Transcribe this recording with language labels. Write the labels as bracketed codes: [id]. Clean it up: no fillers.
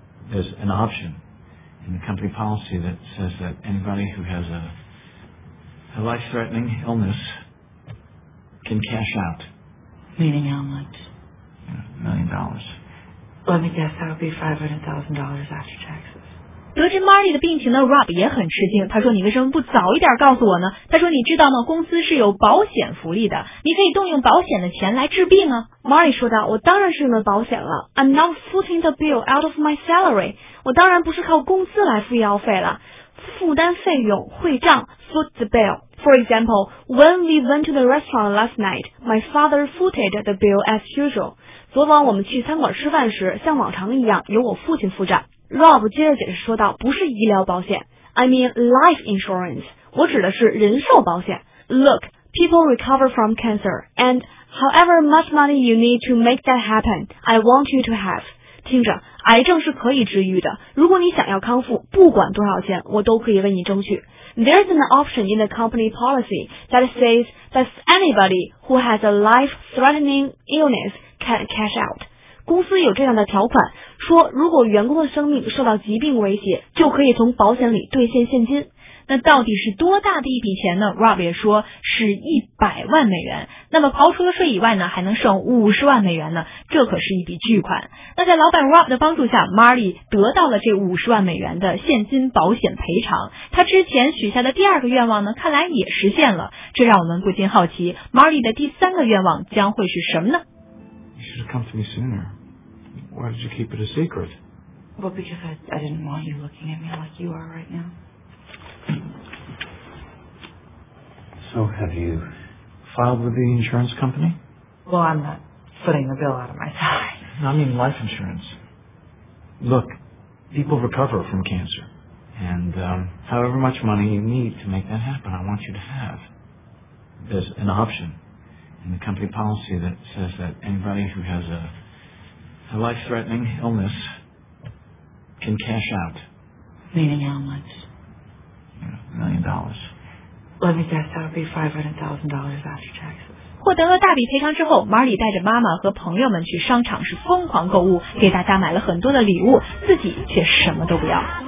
[en] There's an option in the company policy that says that anybody who has a life-threatening illness can cash out. Meaning how much? $1,000,000. Let me guess, that would be $500,000 after taxes. [zh] 得知 Marty 的病情呢 ，Rob 也很吃惊。他说：“你为什么不早一点告诉我呢？” 他说：“你知道吗？公司是有保险福利的，你可以动用保险的钱来治病啊。 ”Marty 说道：“我当然是用了保险了。 [en] I'm not footing the bill out of my salary。 [zh] 我当然不是靠工资来付医药费了。” 负担费用汇账 [en] foot the bill. For example, when we went to the restaurant last night, my father footed the bill as usual. [zh] 昨晚我们去餐馆吃饭时，像往常一样由我父亲付账。 Rob 接着解释说道：“不是医疗保险 [en] ，I mean life insurance. [zh] 我指的是人寿保险。 [en] Look, people recover from cancer, and however much money you need to make that happen, I want you to have.” [zh] 听着。癌症是可以治愈的，如果你想要康复，不管多少钱，我都可以为你争取。 [en] There's an option in the company policy that says that anybody who has a life-threatening illness can cash out. [zh] 公司有这样的条款，说如果员工的生命受到疾病威胁，就可以从保险里兑现现金。那到底是多大的一笔钱呢 ？Rob 也说是$1,000,000。那么刨除了税以外呢，还能剩$500,000呢，这可是一笔巨款。那在老板 Rob 的帮助下 ，Marty 得到了这$500,000的现金保险赔偿。他之前许下的第二个愿望呢，看来也实现了。这让我们不禁好奇 ，Marty 的第三个愿望将会是什么呢 [en] ？You should have come to me sooner. Why did you keep it a secret? Well, because I didn't want you looking at me like you are right now. So have you filed with the insurance company? Well, I'm not footing the bill out of my salary. No, I mean life insurance. Look, people recover from cancer. And however much money you need to make that happen, I want you to have. There's an option in the company policy that says that anybody who has a life-threatening illness can cash out. Meaning how much? $1,000,000. Let me guess, that would be $500,000 after taxes. [zh] 获得了大笔赔偿之后 ，Marty 带着妈妈和朋友们去商场是疯狂购物，给大家买了很多的礼物，自己却什么都不要。